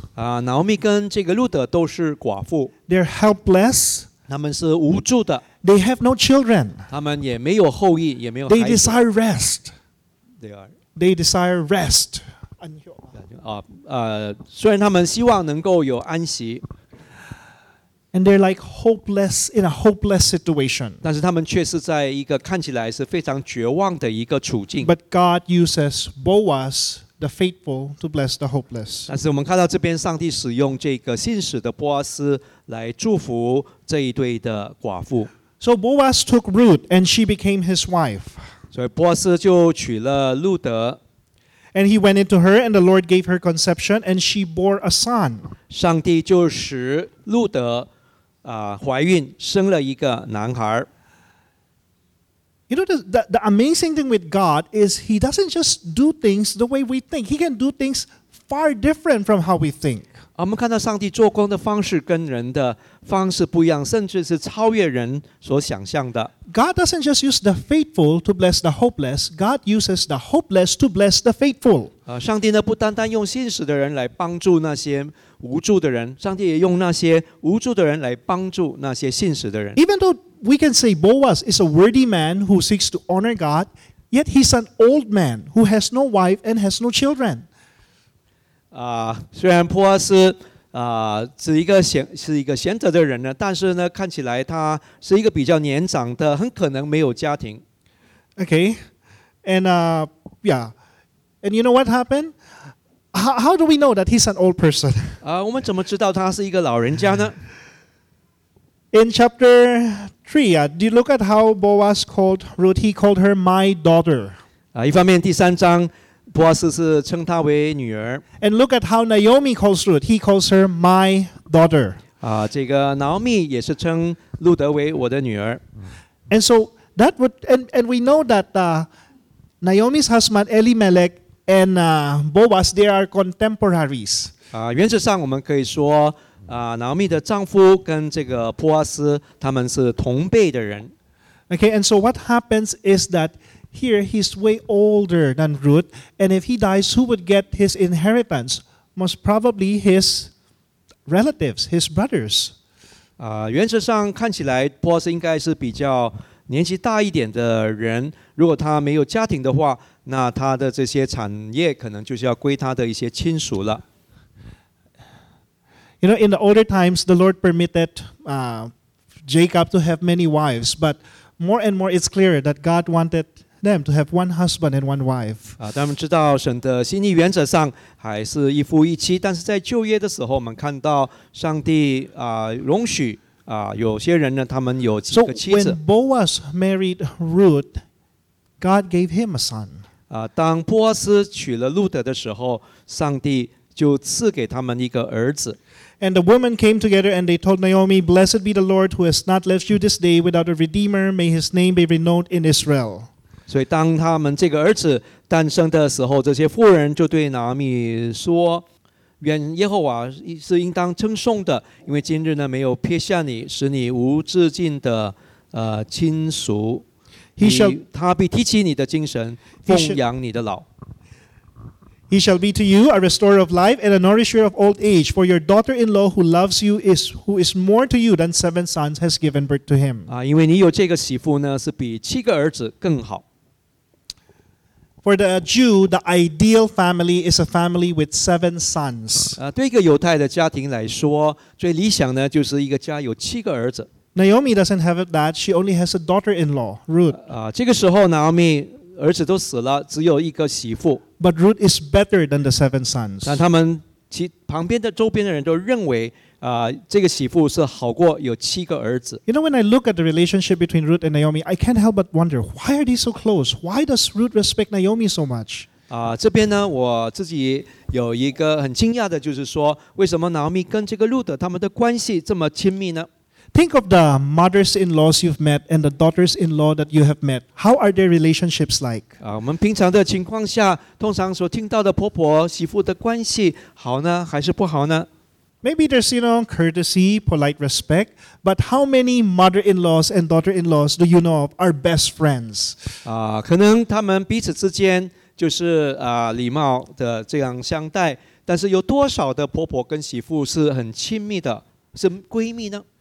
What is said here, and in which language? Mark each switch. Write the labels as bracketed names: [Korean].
[Chinese] Naomi 跟这个路德都是寡妇。 [English] They're helpless. [Chinese] 他们是无助的。 [English] They have no children. [Chinese] 他们也没有后裔也没有孩子。 [English] They desire rest. They desire rest. [Chinese] 虽然他们希望能够有安息。 [English] And they're like hopeless, in a hopeless situation. [Chinese] 但是他们却是在一个看起来是非常绝望的一个处境。 [English] But God uses Boaz, the faithful, to bless the hopeless. [Chinese] 但是我们看到这边上帝使用这个信使的波阿斯来祝福这一对的寡妇。 [English] So Boaz took Ruth and she became his wife. [Chinese] 所以波阿斯就娶了路德。 [English] And he went into her, and the Lord gave her conception, and she bore a son. [Chinese] 上帝就使路德怀孕，生了一个男孩。 [English] You know, the amazing thing with God is He doesn't just do things the way we think. He can do things far different from how we think. [Chinese] 我们看到上帝做工的方式跟人的方式不一样，甚至是超越人所想象的。 [English] God doesn't just use the faithful to bless the hopeless. God uses the hopeless to bless the faithful. [Chinese] 上帝呢不单单用信实的人来帮助那些无助的人，上帝也用那些无助的人来帮助那些信实的人。 [English] Even though we can say Boaz is a worthy man who seeks to honor God, yet he's an old man who has no wife and has no children. [Chinese] 虽然波阿斯是一个贤德的人呢，但是呢，看起来他是一个比较年长的，很可能没有家庭。 [English] Okay, and and you know what happened? How do we know that he's an old person? [Chinese] 我们怎么知道他是一个老人家呢 [English] ？In chapter 3, do you look at how Boaz called Ruth? He called her my daughter. [Chinese] 一方面第三章。波阿斯是称她为女儿。 [English] And look at how Naomi calls Ruth. He calls her my daughter. [Chinese] 这个 Naomi 也是称路德为我的女儿。 [English] And so that would and we know that Naomi's husband Elimelech and Boaz they are contemporaries. [Chinese] 原则上我们可以说Naomi 的丈夫跟这个波阿斯他们是同辈的人。 [English] Okay, and so what happens is that. Here he's way older than Ruth, and if he dies, who would get his inheritance? Most probably his relatives, his brothers. [Chinese] 原则上看起来波斯应该是比较年纪大一点的人。如果他没有家庭的话，那他的这些产业可能就是要归他的一些亲属了。 [English] You know, in the older times, the Lord permitted Jacob to have many wives, but more and more, it's clear that God wanted. Them to have one husband and one wife. [Chinese] 他们知道神的心意原则上还是一夫一妻，但是在旧约的时候，我们看到上帝容许有些人呢，他们有几个妻子。 [English] So when Boaz married Ruth, God gave him a son. [Chinese] 当波阿斯娶了路德的时候，上帝就赐给他们一个儿子。 [English] And the women came together and they told Naomi, "Blessed be the Lord who has not left you this day without a redeemer. May His name be renowned in Israel." [Chinese] 所以当他们这个儿子诞生的时候，这些妇人就对拿米说，愿耶和华是应当称颂的，因为今日呢没有撇下你，使你无至尽的亲属。他必提起你的精神，奉养你的老。 [English] He shall be to you a restorer of life and a nourisher of old age. For your daughter-in-law who loves you is who is more to you than seven sons has given birth to him. [Chinese] 因为你有这个媳妇呢，是比七个儿子更好。 [English] For the Jew, the ideal family is a family with seven sons. [Chinese] 对一个犹太的家庭来说，最理想呢，就是一个家有七个儿子。 [English] Naomi doesn't have that. She only has a daughter-in-law, Ruth. [Chinese] 这个时候 Naomi儿子都死了，只有一个媳妇。 [English] But Ruth is better than the seven sons. [Chinese] 但他们旁边的周边的人都认为，这个媳妇是好过有七个儿子。 [English] You know, when I look at the relationship between Ruth and Naomi, I can't help but wonder why are they so close? Why does Ruth respect Naomi so much? [Chinese] 这边呢，我自己有一个很惊讶的，就是说，为什么 Naomi 跟这个 Ruth 他们的关系这么亲密呢？ [English] Think of the mothers-in-laws you've met and the daughters-in-law that you have met. How are their relationships like? [Chinese] 我们平常的情况下，通常所听到的婆婆媳妇的关系好呢，还是不好呢？ [English] Maybe there's, you know, courtesy, polite respect. But how many mother-in-laws and daughter-in-laws do you know of are best friends? [Chinese] 可能他们彼此之间就是礼貌的这样相待，但是有多少的婆婆跟媳妇是很亲密的，是闺蜜呢？